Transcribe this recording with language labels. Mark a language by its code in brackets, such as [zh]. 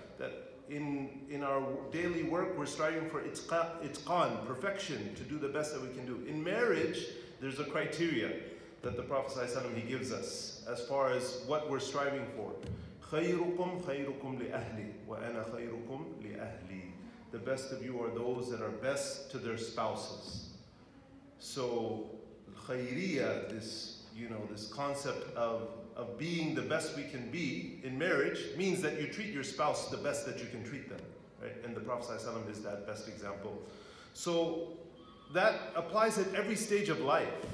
[en] That in our daily work, we're striving for itqan, perfection, to do the best that we can do. In marriage, there's a criteria that the Prophet ﷺ, he gives us as far as what we're striving for. [ar] خيركم خيركم لأهلي وأنا خيركم لأهلي. [en] The best of you are those that are best to their spouses. So khayriya, this, you know, this concept of being the best we can be in marriage means that you treat your spouse the best that you can treat them, right? And the Prophet ﷺ is that best example. So that applies at every stage of life.